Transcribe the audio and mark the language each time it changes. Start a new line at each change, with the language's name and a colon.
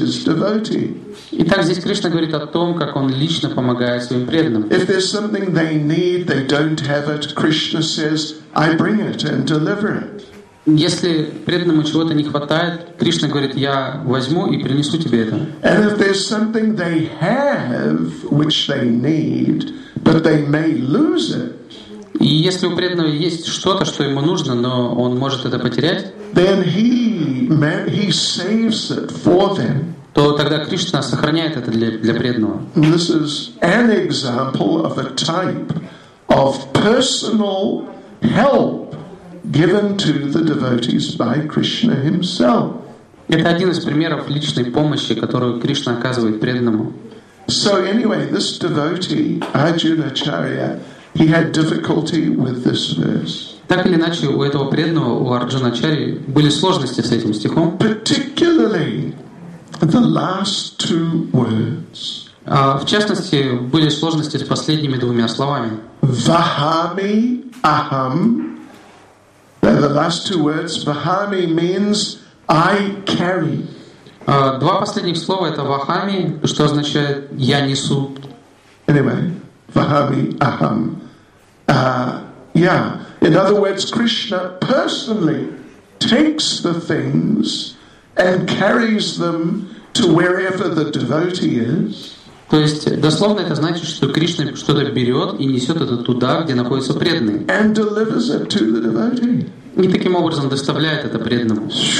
Russian: Итак, здесь Кришна говорит о том, как он лично помогает своим преданным.
English: If there's something they need, they don't have it, Krishna says, I bring it and deliver it.
Russian: Если преданному чего-то не хватает, Кришна говорит, я возьму и принесу тебе это.
English: And if there's something they have, which they need, but they may lose it.
Russian: И если у преданного есть что-то, что ему нужно, но он может это потерять,
English: then he saves it for them.
Russian: то тогда Кришна сохраняет это для преданного.
English: This is an example of a type of personal help given to the devotees by Krishna himself.
Russian: Это один из примеров личной помощи, которую Кришна оказывает преданному.
English: So anyway, this devotee, Arjunacharya, he had difficulty with this verse.
Russian: Так или иначе, у этого преданного, у Арджуначари, были сложности с этим стихом.
English: Particularly the last two words.
Russian: В частности, были сложности с последними двумя словами.
English: Vahami aham. The last two words. Vahami means I carry.
Russian: Два последних слова — это «вахами», что означает «я несу».
English: Anyway, «вахами», «ахам». Yeah. In other words, Krishna personally takes the things and carries them to wherever the devotee is.
Russian: То есть, дословно это значит, что Кришна что-то берет и несет это туда, где находится преданный.
English: And delivers it to the devotee.
Russian: И таким образом доставляет это преданному.